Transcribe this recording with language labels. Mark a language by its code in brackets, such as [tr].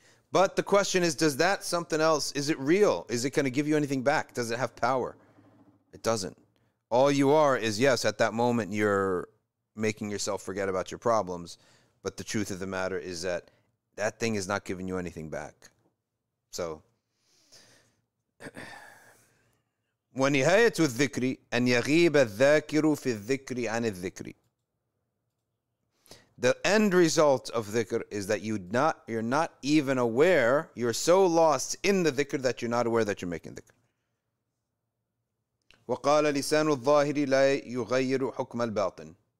[en] But the question is, does that something else, is it real? Is it going to give you anything back? Does it have power? It doesn't. All you are is, yes, at that moment, you're making yourself forget about your problems. But the truth of the matter is that that thing is not giving you anything back. [ar] So, ونهاية الذكر أن يغيب الذاكر في الذكر عن الذكر. [en] The end result of dhikr is that you're not even aware, you're so lost in the dhikr that you're not aware that you're making dhikr. [ar] وَقَالَ لِسَانُ الظَّاهِرِ لَا يُغَيِّرُ حُكْمَ الْبَاطِنِ.